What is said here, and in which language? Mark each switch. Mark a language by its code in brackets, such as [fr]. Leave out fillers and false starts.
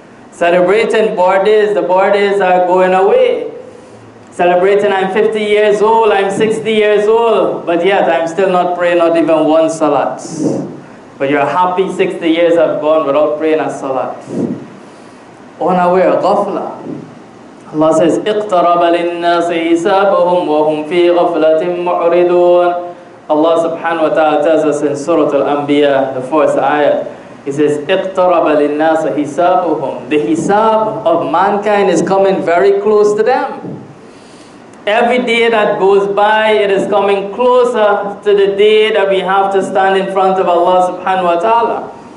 [en] Celebrating birthdays, the birthdays are going away. Celebrating I'm 50 years old, I'm 60 years old, but yet I'm still not praying not even one salat. But you're happy 60 years have gone without praying a salat. Unaware, ghafla. Allah says, [ar] اِقْتَرَبَ لِلنَّاسِ حِسَابُهُمْ وَهُمْ فِي غَفْلَةٍ مُعْرِضُونَ. [en] Allah subhanahu wa ta'ala tells us in Surah Al-Anbiya, the fourth ayah, He says, [ar] اِقْتَرَبَ لِلنَّاسِ حِسَابُهُمْ. [en] The hisab of mankind is coming very close to them. Every day that goes by, it is coming closer to the day that we have to stand in front of Allah subhanahu wa ta'ala.